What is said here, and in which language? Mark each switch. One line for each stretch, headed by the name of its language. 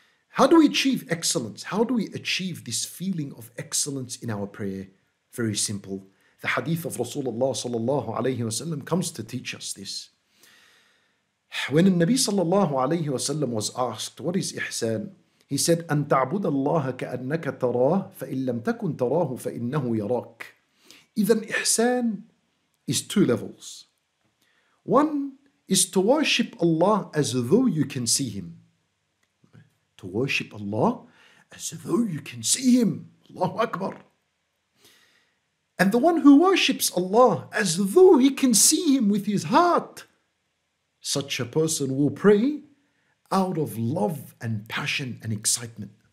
English: How do we achieve excellence? How do we achieve this feeling of excellence in our prayer? Very simple. The hadith of Rasulullah sallallahu alayhi wa sallam comes to teach us this. When Nabi sallallahu alayhi wa sallam was asked, what is ihsan? He said,
Arabic: أن تعبد الله كأنك تراه فإن لم تكن تراه فإنه يراك.
English: Even ihsan is two levels. One is to worship Allah as though you can see Him. To worship Allah as though you can see Him. Allahu Akbar. And the one who worships Allah as though he can see Him with his heart, such a person will pray out of love and passion and excitement.